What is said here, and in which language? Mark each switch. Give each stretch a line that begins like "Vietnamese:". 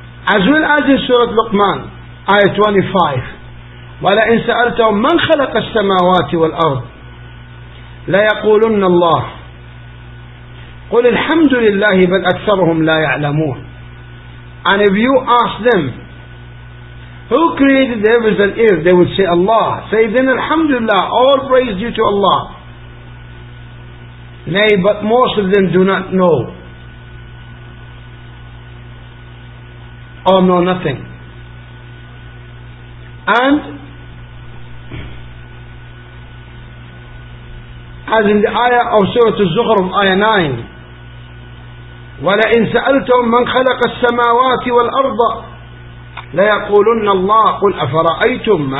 English: As well as in Surah Luqman, ayah 25,
Arabic: وَلَئِنْ سَأَلْتَهُمْ مَنْ خَلَقَ السَّمَاوَاتِ وَالْأَرْضِ لَيَقُولُنَّ اللَّهِ قُلِ الْحَمْدُ لِلَّهِ بَلْ أَكْثَرُهُمْ لَا يَعْلَمُونَ.
English: And if you ask them who created the heavens and earth, they would say Allah. Say then, Alhamdulillah, all praise due to Allah. Nay, but most of them do not know or know nothing. And as in the ayah of Surah Az-Zukhruf, ayah 9,
Arabic: وَلَئِنْ سَأَلْتَهُمْ مَنْ خَلَقَ السَّمَاوَاتِ وَالْأَرْضَ لَيَقُولُنَّ اللَّهُ قُلْ أَفَرَأَيْتُمْ